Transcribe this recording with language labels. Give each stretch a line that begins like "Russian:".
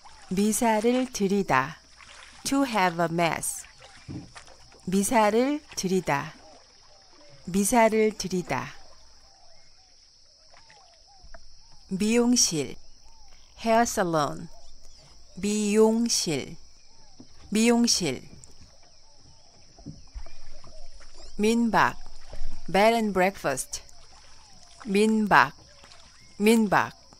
Korean: 미사를 드리다,
English: to have a mass.
Korean: 미사를 드리다, 미사를 드리다.
English: 미용실, hair salon.
Korean: 미용실, 미용실.
English: 민박, bed and breakfast.
Korean: 민박, 민박.